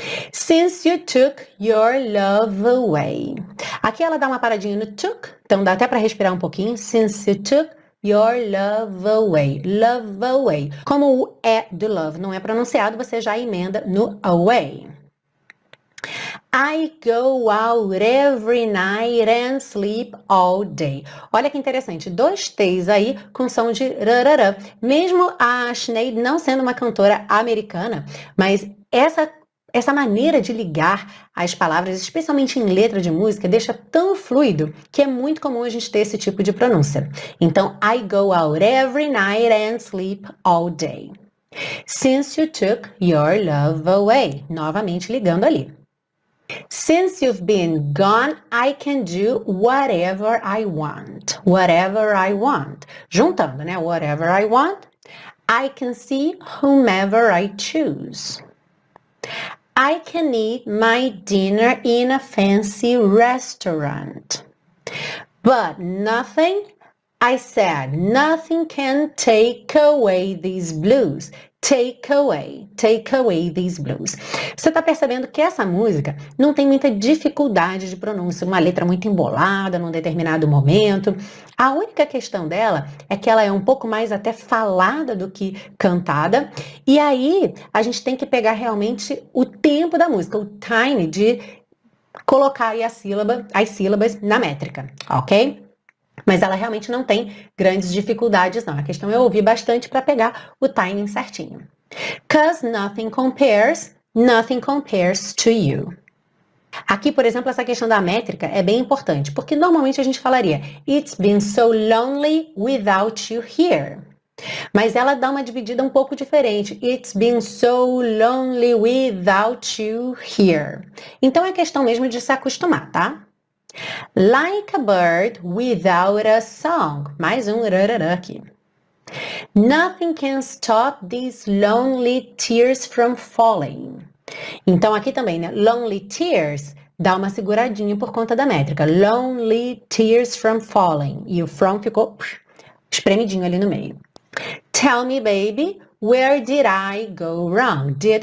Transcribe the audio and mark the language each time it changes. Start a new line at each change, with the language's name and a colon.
English: Since you took your love away.
Portuguese: Aqui ela dá uma paradinha no took, então dá até para respirar um pouquinho.
English: Since you took your love away.
Portuguese: Como o E do love não é pronunciado, você já emenda no away.
English: I go out every night and sleep all day.
Portuguese: Olha que interessante, dois T's aí com som de rarara. Mesmo a Sinead não sendo uma cantora americana, mas essa maneira de ligar as palavras, especialmente em letra de música, deixa tão fluido que é muito comum a gente ter esse tipo de pronúncia. Então,
English: I go out every night and sleep all day. Since you took your love away.
Portuguese: Novamente ligando ali.
English: Since you've been gone, I can do whatever I want. Whatever I want.
Portuguese: Juntando, né?
English: Whatever I want. I can see whomever I choose. I can eat my dinner in a fancy restaurant. But nothing, I said, nothing can take away these blues. Take away these blues.
Portuguese: Você tá percebendo que essa música não tem muita dificuldade de pronúncia, uma letra muito embolada num determinado momento. A única questão dela é que ela é um pouco mais até falada do que cantada. E aí a gente tem que pegar realmente o tempo da música, o time de colocar aí a sílaba, as sílabas na métrica, ok? Mas ela realmente não tem grandes dificuldades, não. A questão é ouvir bastante para pegar o timing certinho.
English: Cause nothing compares to you.
Portuguese: Aqui, por exemplo, essa questão da métrica é bem importante, porque normalmente a gente falaria
English: It's been so lonely without you here.
Portuguese: Mas ela dá uma dividida um pouco diferente.
English: It's been so lonely without you here.
Portuguese: Então é questão mesmo de se acostumar, tá?
English: Like a bird without a song.
Portuguese: Mais um rarará aqui.
English: Nothing can stop these lonely tears from falling.
Portuguese: Então, aqui também, né?
English: Lonely tears
Portuguese: dá uma seguradinha por conta da métrica.
English: Lonely tears from falling.
Portuguese: E o from ficou espremidinho ali no meio.
English: Tell me, baby, where did I go wrong?